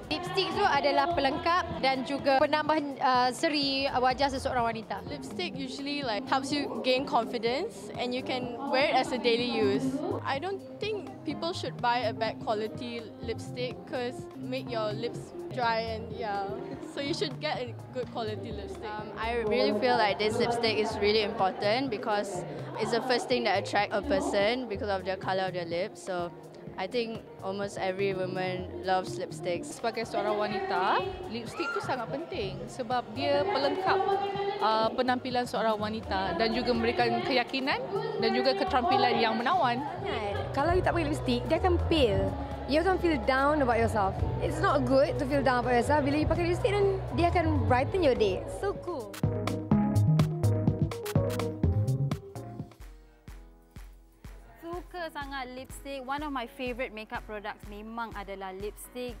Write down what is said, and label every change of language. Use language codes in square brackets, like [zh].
[ms] Lipstick tu adalah pelengkap dan juga penambah seri wajah seseorang wanita. [en] Lipstick usually like helps you gain confidence and you can wear it as a daily use. I don't think people should buy a bad quality lipstick because make your lips dry and yeah. So you should get a good quality lipstick. I really feel like this lipstick is really important because it's the first thing that attracts a person because of the color of their lips. So I think almost every woman loves lipstick. [ms] Sebagai seorang wanita, lipstick tu sangat penting sebab dia pelengkap penampilan seorang wanita dan juga memberikan keyakinan dan juga keterampilan yang menawan. Kalau you tak pakai lipstick, dia akan pale. [en] You can feel down about yourself. It's not good to feel down about yourself. [ms] Bila [en] you [ms] pakai [en] lipstick, then [ms] dia akan [en] brighten your day. So cool. [ms] Suka sangat [en] lipstick. One of my favorite makeup products [ms] memang adalah [en] lipstick.